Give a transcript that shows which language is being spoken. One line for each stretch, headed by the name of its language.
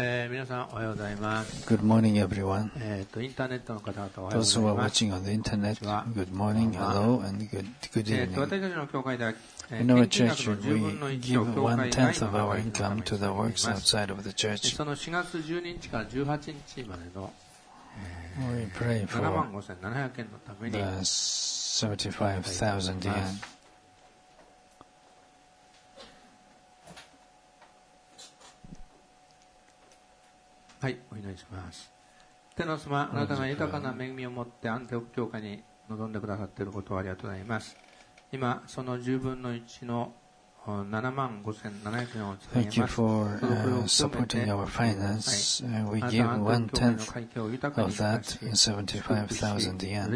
Japanese: 皆さんおはようございます。
English: Good morning, everyone.
Japanese: インターネットの方々おはようございます。
English: Those who are watching on the internet, good morning, hello, and good evening.
Japanese: 私たちの教会では、
English: In our church, we give one tenth of our income to the works outside of the church.
Japanese: その4月12日から18日までの、
English: We pray for
Japanese: 75,000 円のために。
English: The 75,000 yen.
Japanese: はい、お祈りします。天の様、あなたが豊かな恵みを持ってアンティオク教会に臨んでくださっていることをありがとうございます。今その10分の1の75,700円を使います。
English: Thank you for supporting our finance. We give one tenth of that, 75,000 yen.